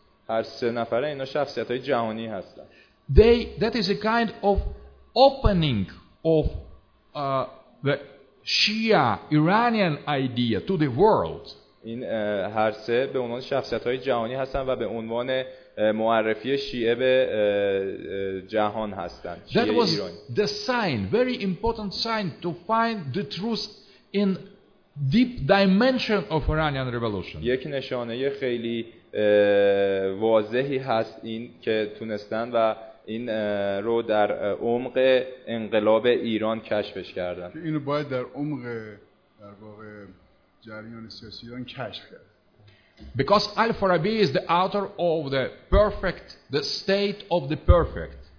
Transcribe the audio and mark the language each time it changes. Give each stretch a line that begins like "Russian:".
Persian: هر سه نفره اینا شخصیت‌های جهانی هستند.
English: That is a kind of opening of the Shia Iranian idea to the world.
Persian: این هر سه به عنوان شخصیت‌های جهانی هستند و به عنوان معرفی شیعه به جهان هستند.
English: That was the sign, very important sign to find the truth in deep dimension of Iranian revolution.
Persian: یک نشانه خیلی واضحی هست این که تونستن و این رو در عمق انقلاب ایران کشفش کردن. این رو باید در عمق در واقع جریان سیاسی ایران کشف کرد.
English: Because Al-Farabi is the author of the perfect, the state of the perfect.